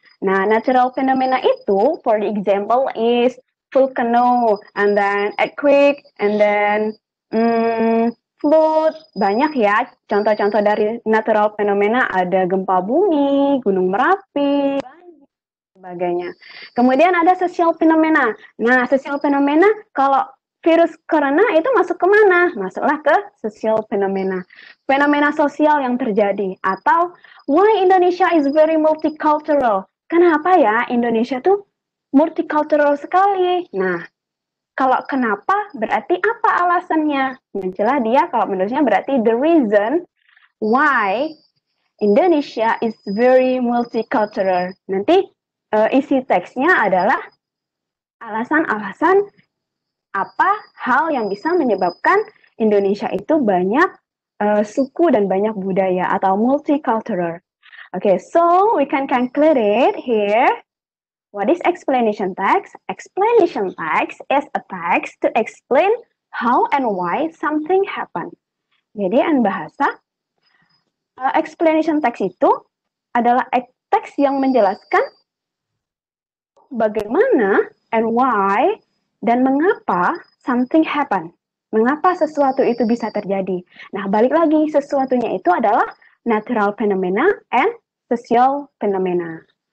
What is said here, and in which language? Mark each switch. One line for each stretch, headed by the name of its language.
Indonesian: Nah,
English: natural phenomena itu, for the example, is volcano, and then earthquake, and then flood.
Indonesian: Banyak ya contoh-contoh dari natural phenomena, ada gempa bumi, gunung Merapi, sebagainya. Kemudian ada social phenomena. Nah, social phenomena, kalau virus corona itu masuk ke mana? Masuklah ke social phenomena. Fenomena sosial yang terjadi. Atau,
English: why Indonesia is very multicultural?
Indonesian: Kenapa ya Indonesia tuh multicultural sekali? Nah, kalau kenapa, berarti apa alasannya? Menjelah dia, kalau menurutnya berarti
English: the reason why Indonesia is very multicultural.
Indonesian: Nanti, isi teksnya adalah alasan-alasan apa hal yang bisa menyebabkan Indonesia itu banyak suku dan banyak budaya atau multicultural.
English: Okay, so we can conclude it here. What is explanation text? Explanation text is a text to explain how and why something happened.
Indonesian: Jadi,
English: in bahasa,
Indonesian: explanation text itu adalah teks yang menjelaskan bagaimana
English: and why
Indonesian: dan mengapa
English: something happen.
Indonesian: Mengapa sesuatu itu bisa terjadi. Nah, balik lagi, sesuatunya itu adalah
English: natural phenomena and social phenomena.